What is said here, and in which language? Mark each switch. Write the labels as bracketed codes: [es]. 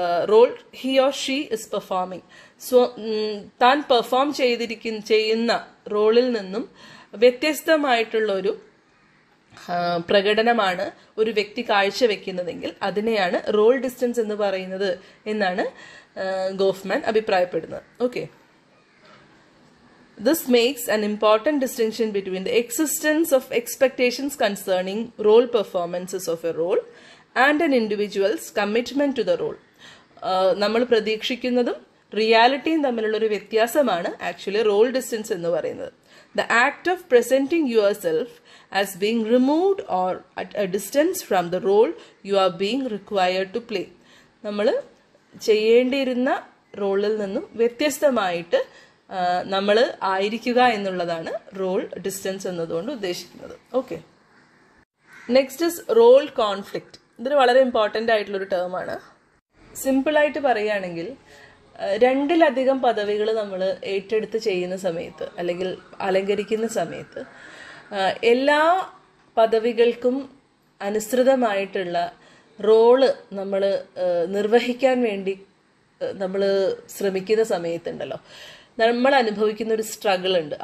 [en] Role he or she is performing. [ml] So താൻ perform ചെയ്യുന്ന റോളിൽ നിന്നും വ്യത്യസ്തമായിട്ടുള്ള ഒരു പ്രകടനമാണ് ഒരു വ്യക്തി കാഴ്ചവെക്കുന്നതെങ്കിൽ അതിനെയാണ് റോൾ ഡിസ്റ്റൻസ് എന്ന് പറയുന്നത് എന്നാണ് ഗോഫ്മാൻ അഭിപ്രായപ്പെടുന്നത്. [en] Okay, this makes an important distinction between the existence of expectations concerning role performances of a role and an individual's commitment to the role. [ml] നമ്മൾ പ്രതീക്ഷിക്കുന്നതും റിയാലിറ്റിയും തമ്മിലുള്ള ഒരു വ്യത്യാസമാണ് ആക്ച്വലി റോൾ ഡിസ്റ്റൻസ് എന്ന് പറയുന്നത്. [en] The act of presenting yourself as being removed or at a distance from the role you are being required to play. [ml] നമ്മൾ ചെയ്യേണ്ടിയിരുന്ന റോളിൽ നിന്നും വ്യത്യസ്തമായിട്ട് നമ്മൾ ആയിരിക്കുക എന്നുള്ളതാണ് റോൾ ഡിസ്റ്റൻസ് എന്നതുകൊണ്ട് ഉദ്ദേശിക്കുന്നത്. [en] Okay, next is role conflict. [ml] ഇതൊരു വളരെ ഇമ്പോർട്ടൻ്റ് ആയിട്ടുള്ളൊരു ടേമാണ്. സിമ്പിളായിട്ട് പറയുകയാണെങ്കിൽ രണ്ടിലധികം പദവികൾ നമ്മൾ ഏറ്റെടുത്ത് ചെയ്യുന്ന സമയത്ത് അല്ലെങ്കിൽ അലങ്കരിക്കുന്ന സമയത്ത് എല്ലാ പദവികൾക്കും അനുസൃതമായിട്ടുള്ള റോള് നമ്മൾ നിർവഹിക്കാൻ വേണ്ടി നമ്മൾ ശ്രമിക്കുന്ന സമയത്തുണ്ടല്ലോ, നമ്മൾ അനുഭവിക്കുന്ന ഒരു സ്ട്രഗിൾ ഉണ്ട്.